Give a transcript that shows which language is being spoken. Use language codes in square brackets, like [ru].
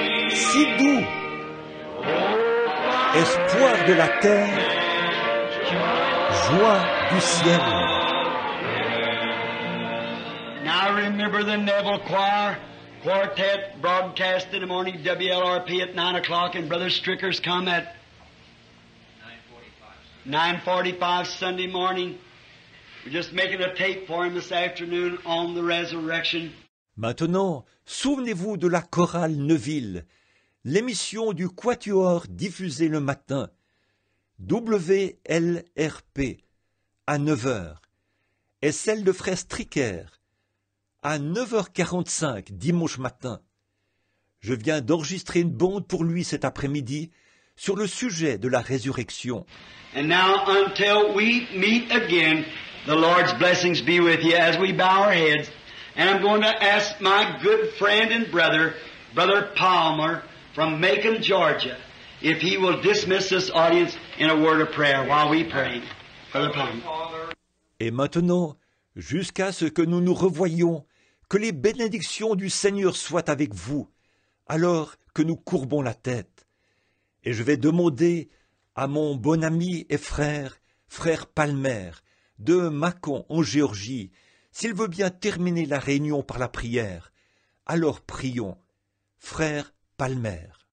[fr] Si doux, espoir de la terre, joie du ciel. [en] Remember the Neville Choir Quartet broadcast in the morning, WLRP at 9 o'clock, and Brother Stricker's come at 9:45 Sunday morning. We're just making a tape for him this afternoon on the resurrection. [fr] Maintenant, souvenez-vous de la chorale Neville, l'émission du Quatuor diffusée le matin, WLRP, à 9h, et celle de Frère Stricker, à 9h45, dimanche matin. Je viens d'enregistrer une bande pour lui cet après-midi sur le sujet de la résurrection. [en] And now, until we meet again, the Lord's blessings be with you as we bow our heads. And I'm going to ask my good friend and brother, Brother Palmer from Macon, Georgia, if he will dismiss this audience in a word of prayer while we pray. Brother Palmer. [fr] Et maintenant, jusqu'à ce que nous nous revoyions, que les bénédictions du Seigneur soient avec vous, alors que nous courbons la tête. Et je vais demander à mon bon ami et frère, frère Palmer, de Macon, en Géorgie, s'il veut bien terminer la réunion par la prière. Alors prions, frère Palmer.